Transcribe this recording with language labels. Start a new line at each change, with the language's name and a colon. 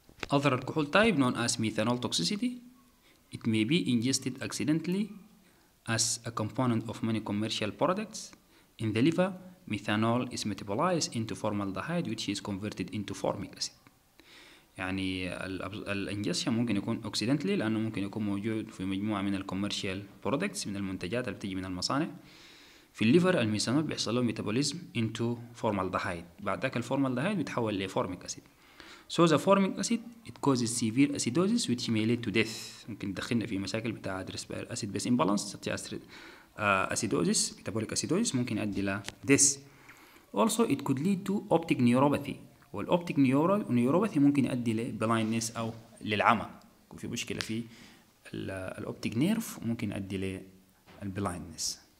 English: Other alcohol type known as methanol toxicity, it may be ingested accidentally as a component of many commercial products. In the liver, methanol is metabolized into formaldehyde which is converted into formic acid.
Arabic: يعني الانجستشن ممكن يكون اوكسيدنتلي لانه ممكن يكون موجود في مجموعه من الكوميرشال برودكتس، من المنتجات اللي بتيجي من المصانع. في الليفر الميثانول بيحصل له ميتابوليزم انتو فورمالدهايد، بعد ذاك الفورمالدهايد بيتحول لفورميك اسيد.
English: So the formic acid it causes severe acidosis which may lead to death.
Arabic: ممكن تدخلنا في مشاكل بتاع ريسبير اسيد بيس امبالانس، تستطيع اسيدوزيس، ميتابوليك اسيدوزيس ممكن يؤدي الى ديث.
English: Also it could lead to optic neuropathy.
Arabic: والأوبتيك نيوروباثي ممكن يؤدي لبلايندنس أو للعمى، يكون في مشكلة في الأوبتيك نيرف ممكن يؤدي للبلايندنس.